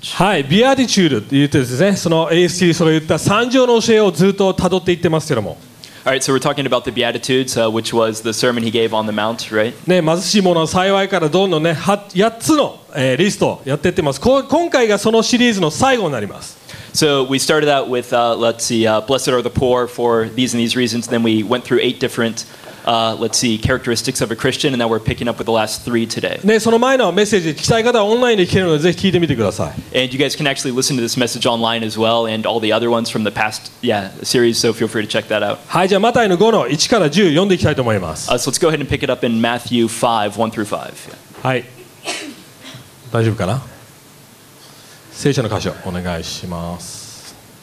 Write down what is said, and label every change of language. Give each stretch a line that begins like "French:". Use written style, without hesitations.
Japanese: はい、ビアティチュードと言ってですね、その AST それ言った三条の教えをずっと辿っていってますけども。
English: All right, so we're talking about the Beatitudes, which was the sermon he gave on the Mount, right?
Japanese: ね、貧しいもの幸いからどんどんね、八つの、リストをやっていってます。今回がそのシリーズの最後になります。
English: So we started out with, let's see, blessed are the poor for these and these reasons. Then we went through eight different, let's see, characteristics of a Christian, and now we're picking up with the last three today.
Japanese: ね、その前のメッセージ聞きたい方はオンラインで聞けるのでぜひ聞いてみてください。
English: And you guys can actually listen to this message online as well, and all the other ones from the past, yeah, series. So feel free to check that out.
Japanese: はい、じゃあマタイの5の1から10読んでいきたいと思います。
English: So let's go ahead and pick it up in Matthew 5, 1 through 5.
Japanese: Yeah. はい。大丈夫かな？聖書の箇所お願いします。